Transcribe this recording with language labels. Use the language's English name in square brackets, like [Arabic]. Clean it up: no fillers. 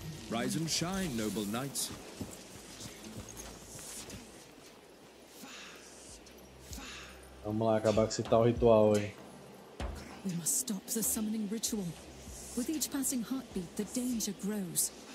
[English] Rise and shine, noble knights. [Portuguese] Vamos lá acabar com esse tal ritual aí. [English] We must stop the summoning ritual. With each passing heartbeat, the danger grows.